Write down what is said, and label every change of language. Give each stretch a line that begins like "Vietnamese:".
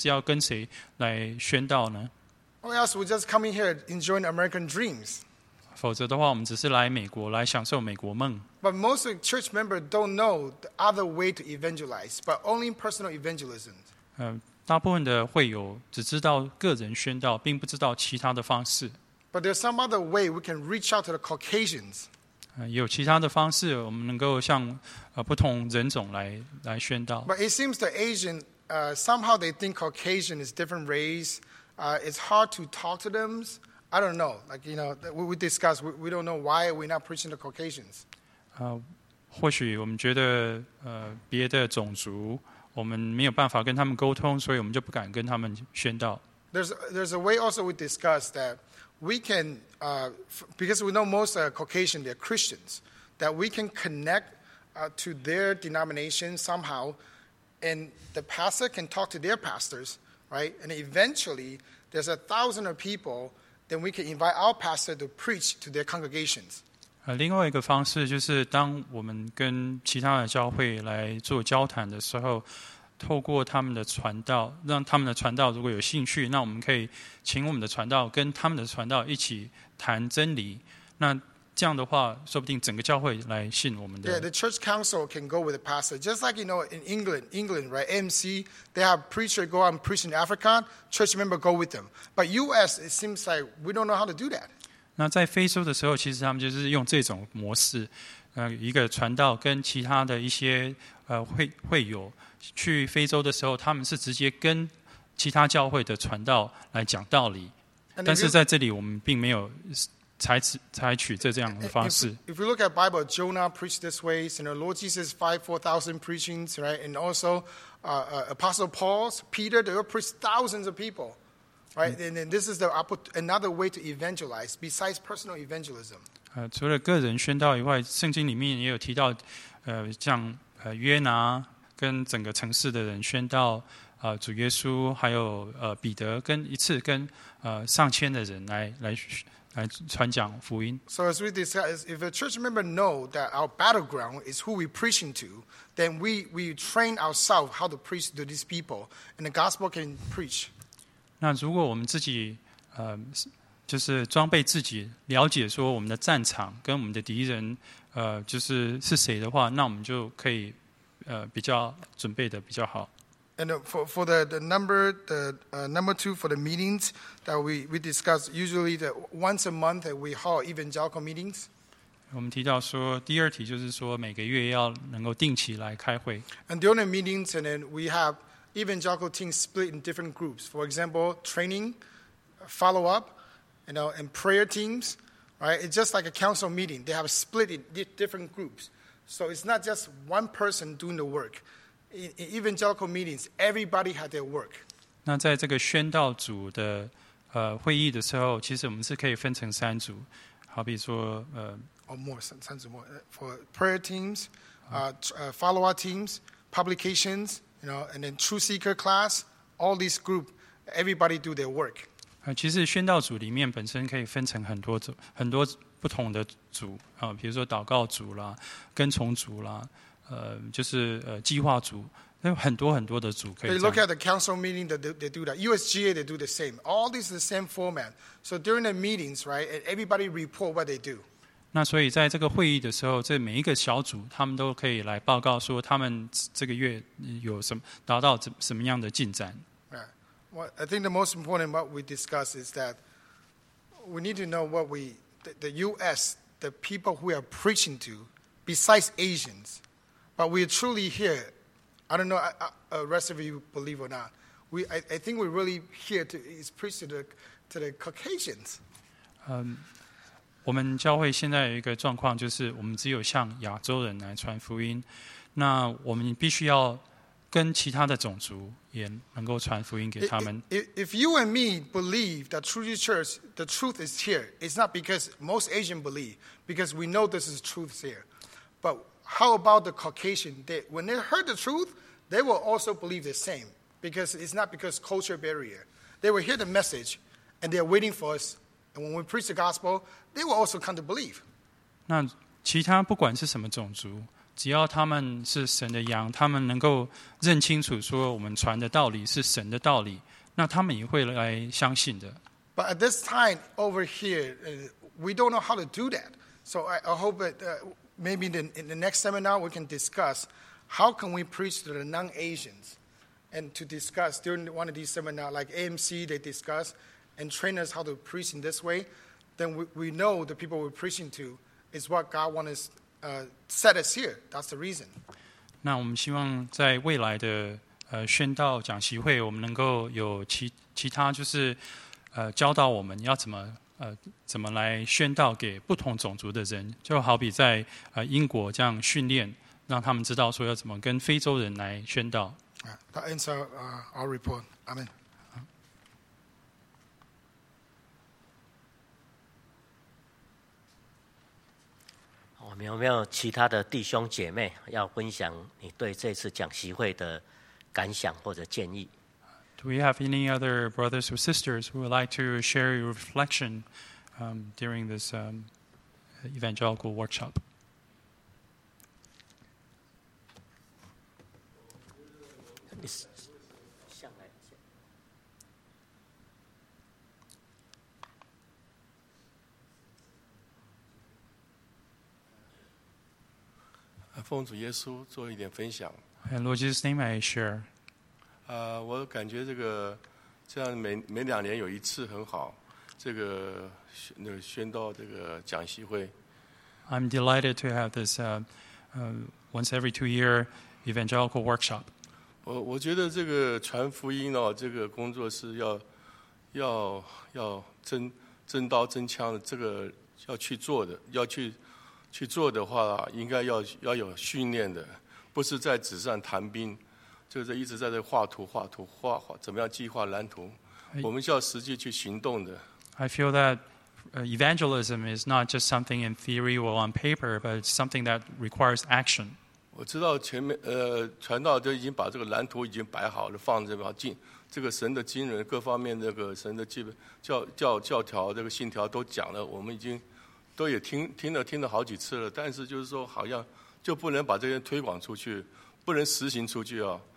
Chinese: 所以身为真耶稣教会的人，我们应该要知道说我们的战场的情况是怎么样，我们是要跟谁来宣道呢？
English: Or else we just coming here enjoying American dreams.
Chinese: 否则的话，我们只是来美国来享受美国梦。
English: But most of the church members don't know the other way to evangelize, but only personal evangelism.
Chinese: 大部分的会友只知道个人宣道，并不知道其他的方式。
English: But there's some other way we can reach out to the Caucasians.
Chinese: 有其他的方式，我们能够向不同人种来宣道。
English: But it seems the Asian somehow they think Caucasian is different race. It's hard to talk to them. I don't know. Like you know, we discuss. We don't know why we're not preaching to Caucasians.
Chinese: 或许我们觉得别的种族。我们没有办法跟他们沟通，所以我们就不敢跟他们宣道。
English: There's a way also we discuss that we can, because we know most Caucasian they're Christians, that we can connect to their denomination somehow, and the pastor can talk to their pastors, right? And eventually, there's 1,000 of people, then we can invite our pastor to preach to their congregations.
Chinese: 另外一个方式就是当我们跟其他的教会来做交谈的时候，透过他们的传道，让他们的传道如果有兴趣，那我们可以请我们的传道跟他们的传道一起谈真理。那这样的话，说不定整个教会来信我们的。
English: Yeah, the church council can go with the pastor, just like you know in England, right? MC, they have preacher go out and preach in Africa, church member go with them. But US, it seems like we don't know how to do that.
Chinese: 那在非洲的时候，其实他们就是用这种模式，一个传道跟其他的一些会友。去非洲的时候，他们是直接跟其他教会的传道来讲道理，但是在这里我们并没有采取这样的方式。
English: If you look at Bible, Jonah preached this way. You know, Lord Jesus 4,000 preachings, right? And also, Apostle Paul, Peter, they all preached thousands of people, right? And then this is another way to evangelize besides personal evangelism.
Chinese: 除了个人宣道以外，圣经里面也有提到，像约拿。跟整个城市的人宣道，主耶稣还有彼得跟一次跟上千的人来传讲福音。
English: So as we discuss, if a church member know that our battleground is who we preaching to, then we train ourselves how to preach to these people, and the gospel can preach.
Chinese: 那如果我们自己就是装备自己，了解说我们的战场跟我们的敌人就是是谁的话，那我们就可以。比较准备的比较好。
English: And for the number two for the meetings that we discuss usually the once a month that we hold evangelical meetings.
Chinese: 我们提到说第二题就是说每个月要能够定期来开会。
English: And during the meetings and then we have evangelical teams split in different groups. For example, training, follow up, you know, and prayer teams. Right? It's just like a council meeting. They have split in different groups. So it's not just one person doing the work. In evangelical meetings, everybody had their work.
Chinese: 那在这个宣道组的会议的时候，其实我们是可以分成三组，好比说三组
English: for prayer teams, follow-up teams, publications, you know, and then true seeker class. All these group, everybody do their work.
Chinese: 其实宣道组里面本身可以分成很多组，很多。不同的组比如说祷告组啦，跟从组啦，就是计划组，很多很多的组可以。
English: They look at the council meeting that they do that. USGA they do the same. All these are the same format. So during the meetings, right, everybody report what they do.
Chinese: 那所以在这个会议的时候，这每一个小组他们都可以来报告说他们这个月有什么达到什么样的进展。
English: Right. Well, I think the most important what we discuss is that we need to know what we. The U.S., the people who we are preaching to, besides Asians, but we are truly here. I don't know the rest of you believe or not. I think we're really here to preach to the Caucasians.
Chinese: 我们教会现在有一个状况，就是我们只有向亚洲人来传福音。那我们必须要跟其他的种族也能够传福音给他们。
English: If you and me believe that Trinity Church, the truth is here, it's not because most Asians believe, because we know this is truth here. But how about the Caucasian? When they heard the truth, they will also believe the same, because it's not because culture barrier. They will hear the message, and they are waiting for us. And when we preach the gospel, they will also come to believe.
Chinese: 那其他不管是什么种族。只要他们是神的羊，他们能够认清楚说我们传的道理是神的道理，那他们也会来相信的。
English: But at this time over here, we don't know how to do that. So I hope that maybe in the next seminar we can discuss how can we preach to the non-Asians and to discuss during one of these seminars like AMC they discuss and train us how to preach in this way. Then we know the people we're preaching to is what God wants us. Set us here. That's the reason.
Chinese: 那我们希望在未来的宣道讲习会，我们能够有其他就是教导我们要怎么来宣道给不同种族的人，就好比在英国这样训练，让他们知道说要怎么跟非洲人来宣道。
English: That ends our report. Amen.
Chinese: 有没有其他的弟兄姐妹要分享你对这次讲习会的感想或者建议。
English: Do we have any other brothers or sisters who would like to share your reflection during this evangelical workshop? And Lord Jesus' name, I share.
Chinese: 我感觉这个这样每两年有一次很好，这个那宣道这个讲习会。
English: I'm delighted to have this once every 2 year evangelical workshop.
Chinese: 我觉得这个传福音哦，这个工作是要真刀真枪的，这个要去做的，要去做的话，应该要有训练的，不是在纸上谈兵。就是一直在这画图画怎么样计划蓝图，我们需要实际去行动的。
English: I feel that evangelism is not just something in theory or on paper, but it's something that requires action.
Chinese: 我知道前面传道都已经把这个蓝图已经摆好了，放这边进这个神的经纶各方面，这个神的基本教条这个信条都讲了，我们已经都也听了好几次了，但是就是说好像就不能把这些推广出去，不能实行出去啊。